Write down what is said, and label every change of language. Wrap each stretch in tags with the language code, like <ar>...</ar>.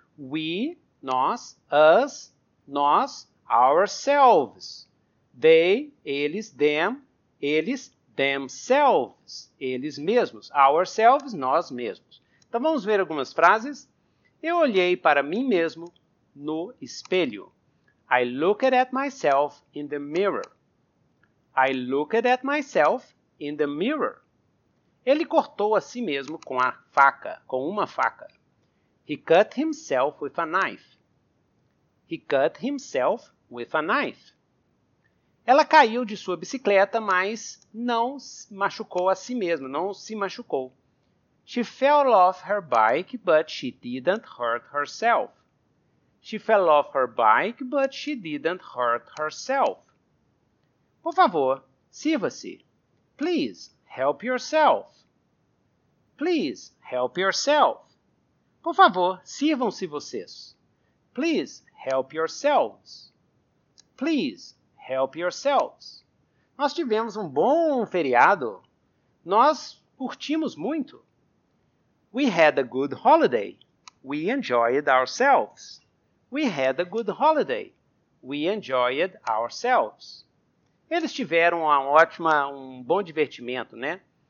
<en>We, nós, us, nós, ourselves.</en> <pt>They, eles, them, eles, themselves, eles mesmos. Ourselves, nós mesmos. Então vamos ver algumas frases. Eu olhei para mim mesmo no espelho.</pt> <en>I looked at myself in the mirror. I looked at myself in the mirror.</en> <pt>Ele cortou a si mesmo com a faca, com uma faca.</pt> <en>He cut himself with a knife. He cut himself with a knife.</en> <pt>Ela caiu de sua bicicleta, mas não machucou a si mesma, não se machucou.</pt> <en>She fell off her bike, but she didn't hurt herself. She fell off her bike, but she didn't hurt herself.</en> <pt>Por favor, sirva-se.</pt> <en>Please, help yourself. Please, help yourself.</en> <pt>Por favor, sirvam-se vocês.</pt> <en>Please, help yourselves. Please, help yourselves.</en> <pt>Nós tivemos um bom feriado. Nós curtimos muito.</pt> <en>We had a good holiday. We enjoyed ourselves. We had a good holiday. We enjoyed ourselves.</en> <pt>Eles tiveram um bom divertimento, né?</pt>